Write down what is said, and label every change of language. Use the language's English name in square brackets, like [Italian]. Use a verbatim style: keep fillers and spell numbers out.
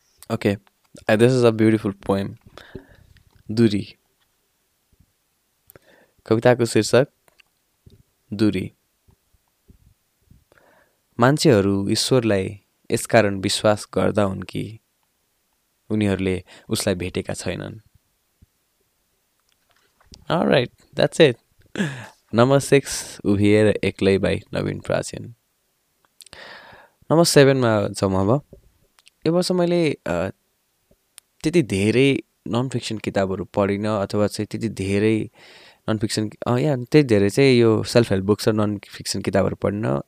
[English] Okay, uh, this is a beautiful poem. [Nepali] दूरी, कविताको शीर्षक दूरी। मान्छेहरू ईश्वरलाई यसकारण विश्वास गर्दा हुन् कि उनीहरूले उसलाई भेटेका छैनन्। [English] Alright, that's it. Number six, उभिएर एक्लै by Naveen Prachin. [Nepali] नम्बर सेभेनमा छौँ अब। यो वर्ष मैले अ, त्यति धेरै नन फिक्सन किताबहरू पढिनँ अथवा चाहिँ त्यति धेरै नन फिक्सन अँ या त्यति धेरै चाहिँ यो सेल्फ हेल्प बुक्स र नन फिक्सन किताबहरू पढिनँ।